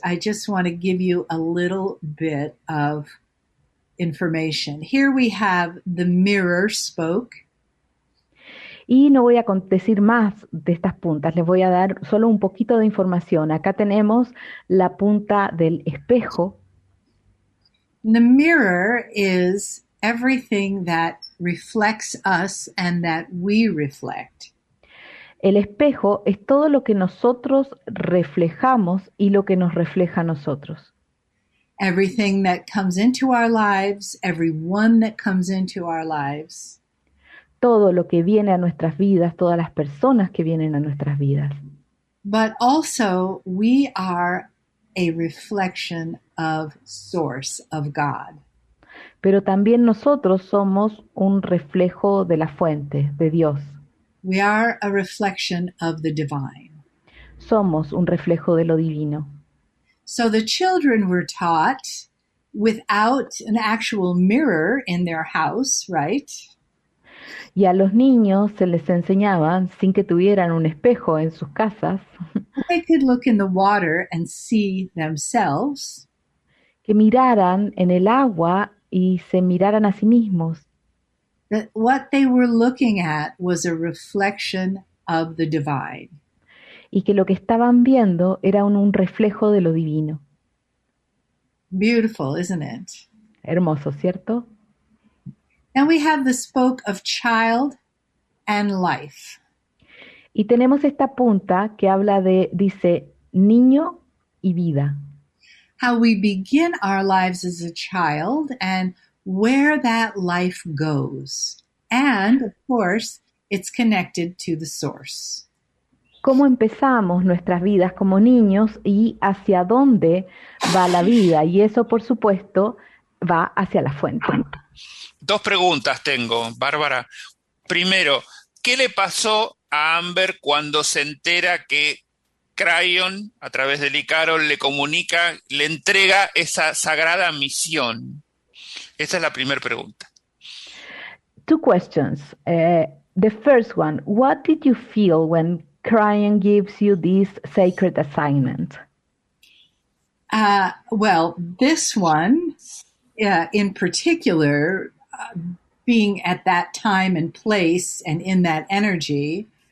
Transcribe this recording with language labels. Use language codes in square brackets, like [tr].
[en] I just want to give you a little bit of information. Here we have the mirror spoke. [es] Y no voy a decir más de estas puntas, les voy a dar solo un poquito de información. Acá tenemos la punta del espejo. [en] The mirror is everything that reflects us and that we reflect. [es] El espejo es todo lo que nosotros reflejamos y lo que nos refleja a nosotros. [en] Everything that comes into our lives, everyone that comes into our lives. [es] Todo lo que viene a nuestras vidas, todas las personas que vienen a nuestras vidas. [en] But also, we are a reflection of source, of God. [es] Pero también nosotros somos un reflejo de la fuente, de Dios. [en] We are a reflection of the divine. [es] Somos un reflejo de lo divino. [en] So the children were taught without an actual mirror in their house, right? [es] Y a los niños se les enseñaba sin que tuvieran un espejo en sus casas. [en] They could look in the water and see themselves. [es] Que miraran en el agua y se miraran a sí mismos. [en] That what they were looking at was a reflection of the divine. [es] Y que lo que estaban viendo era un reflejo de lo divino. [en] Beautiful, isn't it? [es] Hermoso, ¿cierto? [en] And we have the spoke of child and life. [es] Y tenemos esta punta que habla de, dice, niño y vida. [en] How we begin our lives as a child and where that life goes. And, of course, it's connected to the source. [es] Cómo empezamos nuestras vidas como niños y hacia dónde va la vida. Y eso, por supuesto, va hacia la fuente. Dos preguntas tengo, Bárbara. Primero, ¿qué le pasó a Amber cuando se entera que Crayon, a través de Licaro, le comunica, le entrega esa sagrada misión? Esa es la primera pregunta. [en] Two questions. The first one, what did you feel when Crayon gives you this sacred assignment? In particular, being at that time and place and in that energy,